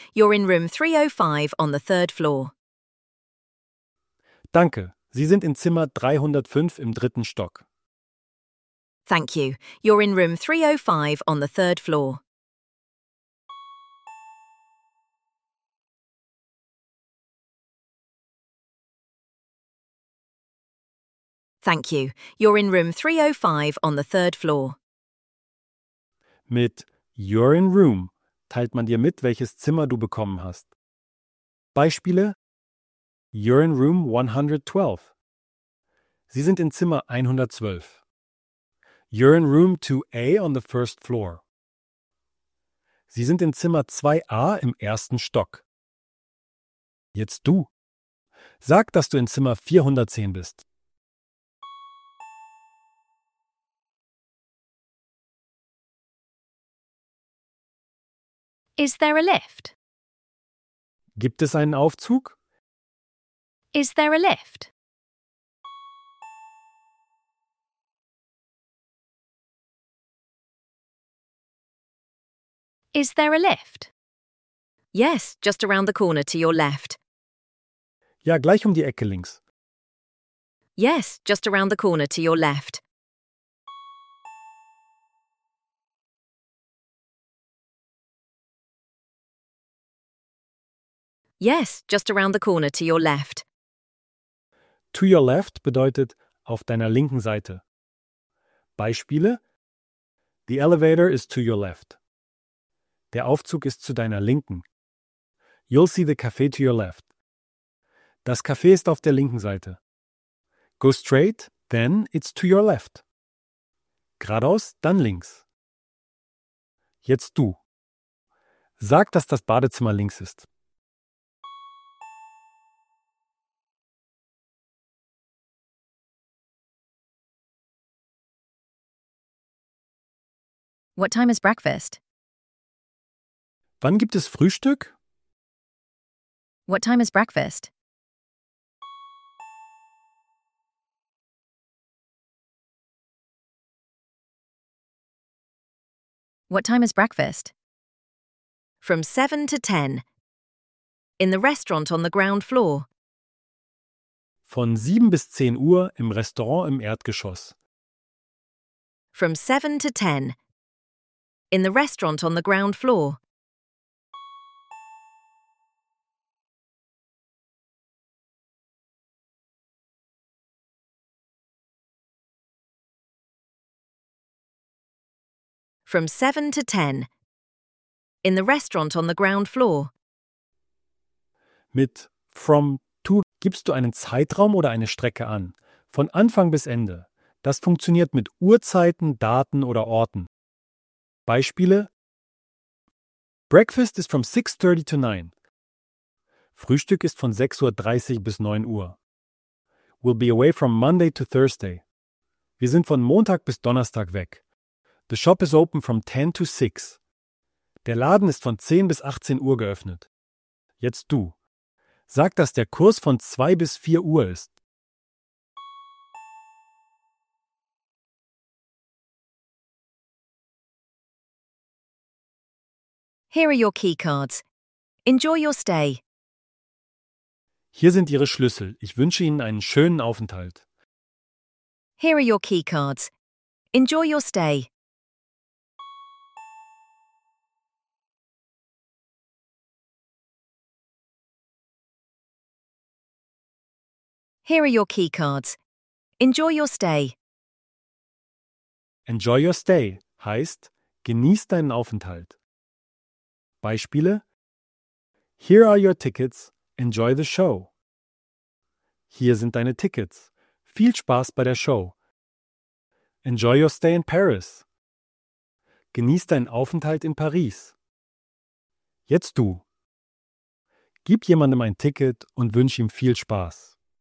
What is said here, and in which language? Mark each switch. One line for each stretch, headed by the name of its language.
English: You're in room 305 on the third floor.
German: Danke. Sie sind in Zimmer 305 im dritten Stock.
English: Thank you. You're in room 305 on the third floor. Thank you. You're in room 305 on the third floor.
German: Mit
English: "You're in room"
German: teilt man dir mit, welches Zimmer du bekommen hast.
English: Beispiele: You're in room 112.
German: Sie sind in Zimmer 112.
English: You're in room 2A on the first floor.
German: Sie sind in Zimmer 2A im ersten Stock. Jetzt du. Sag, dass du in Zimmer 410 bist.
English: Is there a lift?
German: Gibt es einen Aufzug?
English: Is there a lift? Is there a lift? Yes, just around the corner to your left.
German: Ja, gleich um die Ecke links.
English: Yes, just around the corner to your left. Yes, just around the corner to your left. To your left
German: bedeutet auf deiner linken Seite. Beispiele:
English: The elevator is to your left.
German: Der Aufzug ist zu deiner Linken.
English: You'll see the cafe to your left.
German: Das Café ist auf der linken Seite.
English: Go straight, then it's to your left.
German: Geradeaus, dann links. Jetzt du. Sag, dass das Badezimmer links ist.
English: What time is breakfast?
German: Wann gibt es Frühstück?
English: What time is breakfast? What time is breakfast? From 7 to 10. In the restaurant on the ground floor.
German: Von 7 bis 10 Uhr im Restaurant im Erdgeschoss.
English: From 7 to 10. In the restaurant on the ground floor. From 7 to 10. In the restaurant on the ground floor.
German: Mit from to gibst du einen Zeitraum oder eine Strecke an. Von Anfang bis Ende. Das funktioniert mit Uhrzeiten, Daten oder Orten.
English: Beispiele: Breakfast is from 6:30 to 9.
German: Frühstück ist von 6:30 bis 9 Uhr.
English: We'll be away from Monday to Thursday.
German: Wir sind von Montag bis Donnerstag weg.
English: The shop is open from 10 to 6.
German: Der Laden ist von 10 bis 18 Uhr geöffnet. Jetzt du. Sag, dass der Kurs von 2 bis 4 Uhr ist.
English: Here are your key cards. Enjoy your stay.
German: Hier sind Ihre Schlüssel. Ich wünsche Ihnen einen schönen Aufenthalt.
English: Here are your key cards. Enjoy your stay. Here are your key cards. Enjoy your stay. Enjoy your stay
German: heißt, genieß deinen Aufenthalt.
English: Beispiele: Here are your tickets. Enjoy the show.
German: Hier sind deine Tickets. Viel Spaß bei der Show.
English: Enjoy your stay in Paris.
German: Genieß deinen Aufenthalt in Paris. Jetzt du. Gib jemandem ein Ticket und wünsch ihm viel Spaß.